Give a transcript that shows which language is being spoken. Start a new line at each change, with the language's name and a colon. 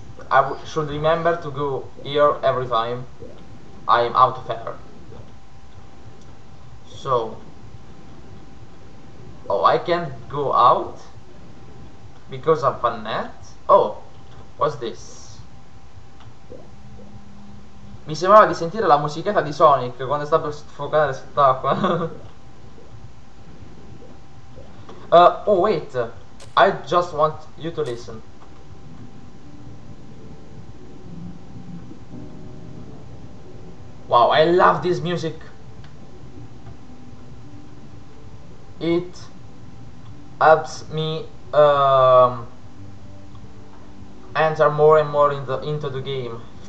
English: I should remember to go here every time I'm out of air. So, oh, I can't go out because of a net. Oh, what's this?
Italian: Mi sembrava di sentire la musichetta di Sonic quando è stato sfocato sott'acqua.
English: Oh wait, I just want you to listen. Wow, I love this music. It helps me enter more and more into the game.